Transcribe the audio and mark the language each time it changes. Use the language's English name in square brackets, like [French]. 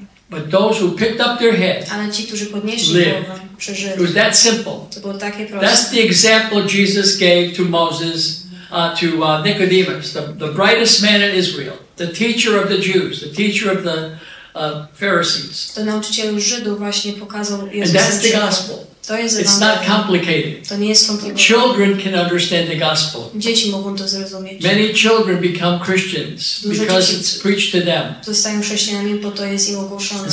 [English] But those who picked up their head lived. It was that simple. That's the example Jesus gave to Moses, to Nicodemus, the brightest man in Israel, the teacher of the Jews, the teacher of the Pharisees. [Polish] To nauczyciel Żydów właśnie pokazał Jezusa. [English] And that's the gospel. [Polish] To jest [English] it's not complicated. [Polish] To nie jest komplikowane. [English] Children can understand the gospel. [Polish] Dzieci mogą to zrozumieć. [English] Many children become Christians because it's preached to them. [Polish] Zostają chrześcijanami, bo to jest im ogłoszone.